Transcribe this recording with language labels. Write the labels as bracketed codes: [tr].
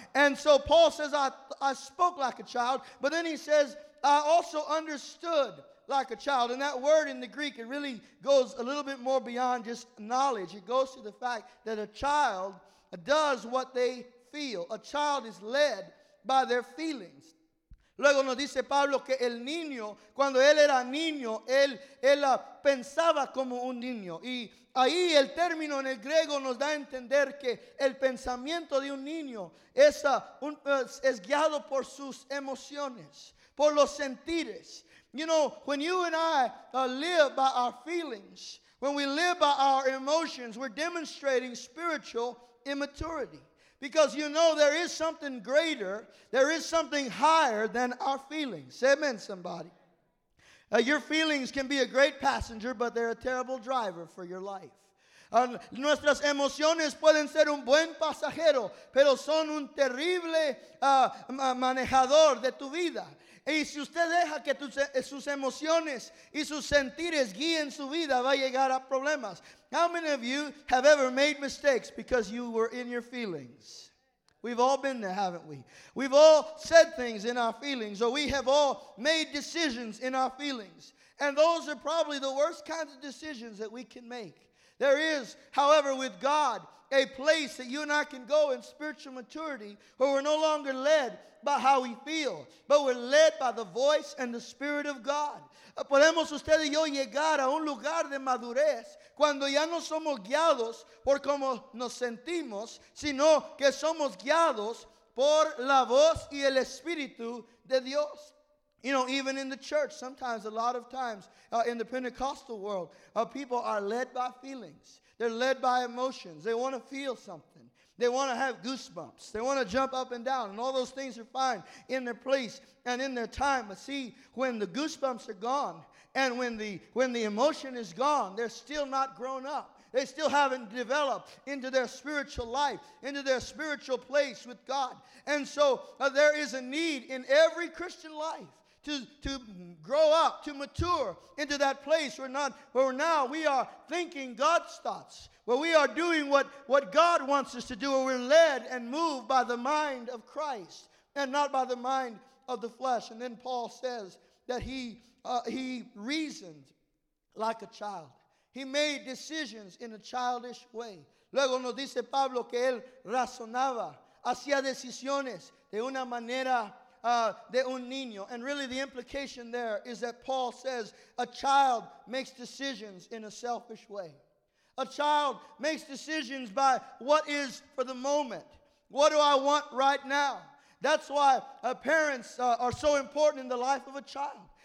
[en] And so Paul says, I spoke like a child, but then he says, I also understood like a child. And that word in the Greek, it really goes a little bit more beyond just knowledge. It goes to the fact that a child does what they feel. A child is led by their feelings. [es] Luego nos dice Pablo que el niño, cuando él era niño, él pensaba como un niño. Y ahí el término en el griego nos da a entender que el pensamiento de un niño es guiado por sus emociones, por los sentires. [en] You know, when you and I live by our feelings, when we live by our emotions, we're demonstrating spiritual immaturity. Because you know there is something greater, there is something higher than our feelings. Say amen, somebody. Your feelings can be a great passenger, but they're a terrible driver for your life. [es] Nuestras emociones pueden ser un buen pasajero, pero son un terrible manejador de tu vida. Y si usted deja que sus emociones y sus sentires guíen su vida, va a llegar a problemas. [en] How many of you have ever made mistakes because you were in your feelings? We've all been there, haven't we? We've all said things in our feelings, or we have all made decisions in our feelings. And those are probably the worst kinds of decisions that we can make. There is, however, with God, a place that you and I can go in spiritual maturity where we're no longer led by how we feel, but we're led by the voice and the Spirit of God. [es] Podemos usted y yo llegar a un lugar de madurez cuando ya no somos guiados por cómo nos sentimos, sino que somos guiados por la voz y el Espíritu de Dios. [en] You know, even in the church, sometimes, a lot of times, in the Pentecostal world, people are led by feelings. They're led by emotions. They want to feel something. They want to have goosebumps. They want to jump up and down. And all those things are fine in their place and in their time. But see, when the goosebumps are gone and when the emotion is gone, they're still not grown up. They still haven't developed into their spiritual life, into their spiritual place with God. And so there is a need in every Christian life to grow up, to mature into that place where now we are thinking God's thoughts, where we are doing what God wants us to do, where we're led and moved by the mind of Christ and not by the mind of the flesh. And then Paul says that he reasoned like a child. He made decisions in a childish way. [es] Luego nos dice Pablo que él razonaba, hacía decisiones de una manera de un niño. [en] And really the implication there is that Paul says a child makes decisions in a selfish way. A child makes decisions by what is for the moment. What do I want right now? That's why parents are so important in the life of a child.